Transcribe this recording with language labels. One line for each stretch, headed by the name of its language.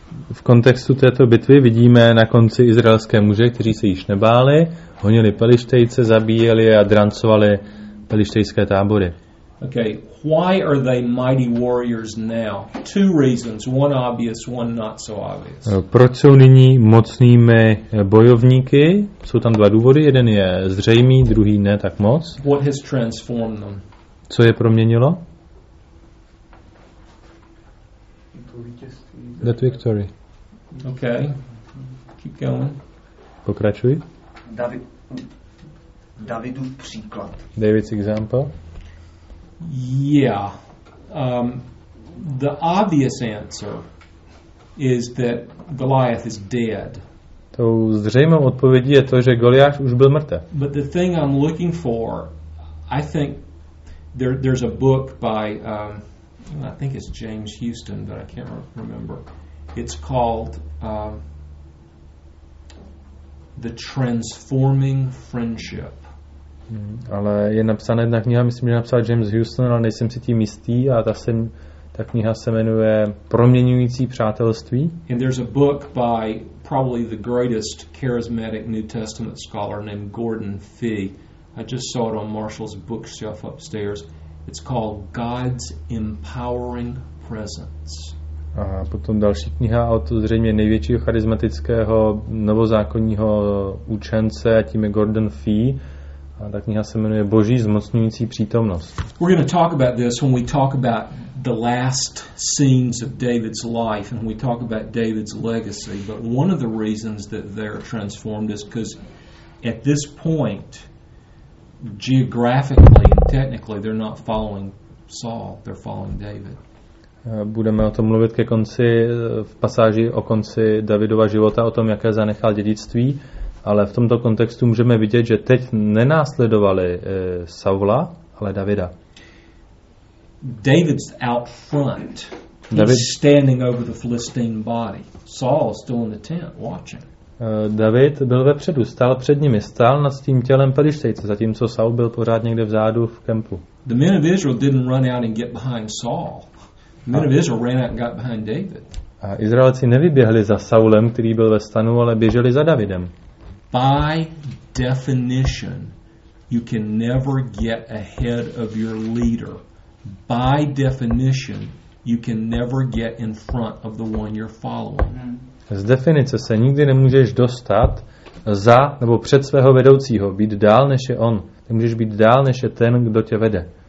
Czech: V kontextu této bitvy vidíme na konci izraelské muže, kteří se již nebáli, honili Pelištejce, zabíjeli a drancovali pelištejské tábory.
English: Okay, why are they mighty warriors now? Two reasons, one obvious, one not so obvious.
Czech: Proč jsou nyní mocnými bojovníky? Jsou tam dva důvody, jeden je zřejmý, druhý ne tak moc.
English: What has transformed them?
Czech: Co je proměnilo?
English: That victory. Okay. Keep going.
Czech: Pokračuj. Davidův příklad.
English: David's example. Yeah. The obvious answer is that Goliath is dead.
Czech: Tou zřejmou odpovědí je to, že Goliáš už byl mrtev.
English: But the thing I'm looking for, I think there's a book by I think it's James Houston, but I can't remember. It's called The Transforming Friendship.
Czech: Ale je napsaná jedna kniha, myslím, že napsal James Houston, ale nejsem si tím jistý, a ta kniha se jmenuje Proměňující přátelství.
English: And there's a book by probably the greatest charismatic New Testament scholar named Gordon Fee. I just saw it on Marshall's bookshelf upstairs. It's called God's Empowering Presence.
Czech: A potom další kniha od zřejmě největšího charismatického novozákonního učence, a tím je Gordon Fee. A ta kniha se jmenuje Boží zmocňující přítomnost.
English: We're going to talk about this when we talk about the last scenes of David's life and when we talk about David's legacy. But one of the reasons that they're transformed is because at this point, geographically and technically, they're not following Saul, they're following David.
Czech: Budeme o tom mluvit ke konci, v pasáži o konci Davidova života, o tom, jaké zanechal dědictví, ale v tomto kontextu můžeme vidět, že teď nenásledovali Saula, ale Davida.
English: David's out front. David. He's standing over the Philistine body. Saul is still in the tent watching.
Czech: David byl vepředu, stál před nimi, stál nad tím tělem Pelištejce, zatímco Saul byl pořád někde vzadu v kempu.
English: The men of Israel didn't run out and get behind Saul. The men of Israel ran out and got behind David.
Czech: A Izraelci nevyběhli za Saulem, který byl ve stanu, ale běželi za Davidem.
English: By definition, you can never get ahead of your leader. By definition, you can never get in front of the one you're following.
Czech: Z definice se nikdy nemůžeš dostat za nebo před svého vedoucího, být dál než je on. Nemůžeš být dál než je ten, kdo tě vede.